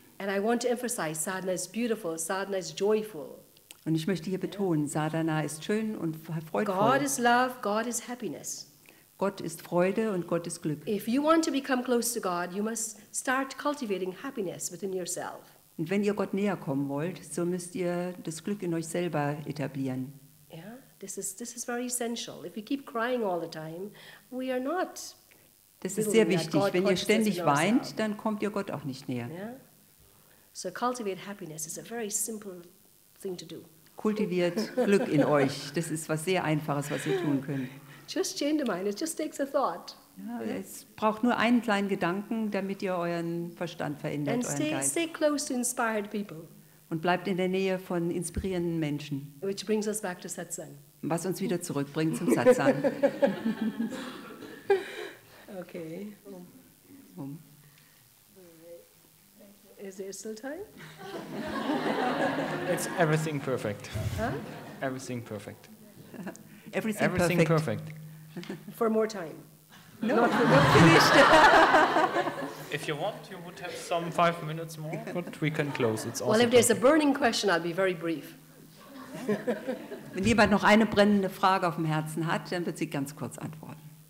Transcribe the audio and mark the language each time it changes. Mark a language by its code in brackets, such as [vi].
[en] And I want to emphasize, sadhana is beautiful, sadhana is joyful. [de] Und ich möchte hier betonen, Sadhana ist schön und freudvoll. [en] God is love, God is happiness. [de] Gott ist Freude und Gott ist Glück. [en] If you want to become close to God, you must start cultivating happiness within yourself. [de] Und wenn ihr Gott näher kommen wollt, so müsst ihr das Glück in euch selber etablieren. [en] Yeah, this is very essential. If we keep crying all the time, we are not. [de] Das ist sehr wichtig. Wenn ihr ständig weint, dann kommt ihr Gott auch nicht näher. [en] Yeah? So cultivate happiness is a very simple thing to do. [de] Kultiviert Glück in euch. Das ist was sehr Einfaches, was ihr tun könnt. [en] Just change the mind. It just takes a thought. [de] Ja, es braucht nur einen kleinen Gedanken, damit ihr euren Verstand verändert, [en] and [de] euren Geist. [en] Stay close to inspired people. [de] Und bleibt in der Nähe von inspirierenden Menschen. [en] Which brings us back to Satsang. [de] Was uns wieder zurückbringt zum Satsang. [en] Okay. Is there still time? It's everything perfect. Huh? Everything perfect. Everything perfect. For more time. No, not for more finished. If you want, you would have some 5 minutes more, but we can close. It's well, if there's a burning question, I'll be very brief. [de] Wenn jemand noch eine brennende Frage auf dem Herzen hat, dann wird sie ganz kurz antworten.